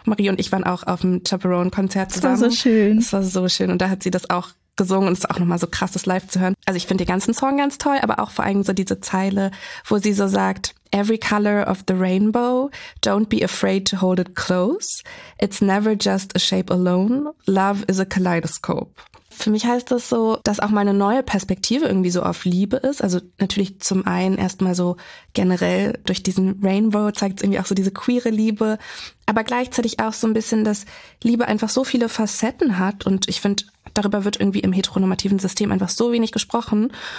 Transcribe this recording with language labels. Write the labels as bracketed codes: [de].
[de] Marie und ich waren auch auf dem Chapel Roan Konzert zusammen. Das war so schön. Und da hat sie das auch gesungen und es ist auch nochmal so krass, das live zu hören. Also ich finde den ganzen Song ganz toll, aber auch vor allem so diese Zeile, wo sie so sagt, [en] every color of the rainbow, don't be afraid to hold it close. It's never just a shape alone. Love is a kaleidoscope. [de] Für mich heißt das so, dass auch meine neue Perspektive irgendwie so auf Liebe ist. Also natürlich zum einen erstmal so generell durch diesen Rainbow zeigt es irgendwie auch so diese queere Liebe. Aber gleichzeitig auch so ein bisschen, dass Liebe einfach so viele Facetten hat. Und ich finde, darüber wird irgendwie im heteronormativen System einfach so wenig gesprochen.